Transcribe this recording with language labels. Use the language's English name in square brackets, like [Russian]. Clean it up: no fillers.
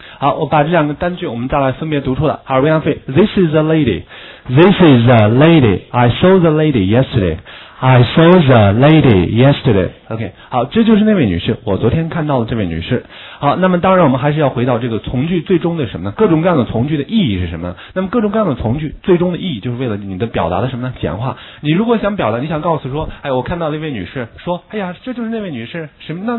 [Chinese] 好，我把这两个单句我们再来分别读出来。 [English] 好，William Fay, This is the lady. This is the lady. I saw the lady yesterday. I saw the lady yesterday. [Chinese] OK, 好，这就是那位女士。我昨天看到了这位女士。好，那么当然我们还是要回到这个从句最终的什么呢？各种各样的从句的意义是什么呢？那么各种各样的从句最终的意义就是为了你的表达的什么呢？简化。你如果想表达，你想告诉说，哎，我看到那位女士，说，哎呀，这就是那位女士，什么？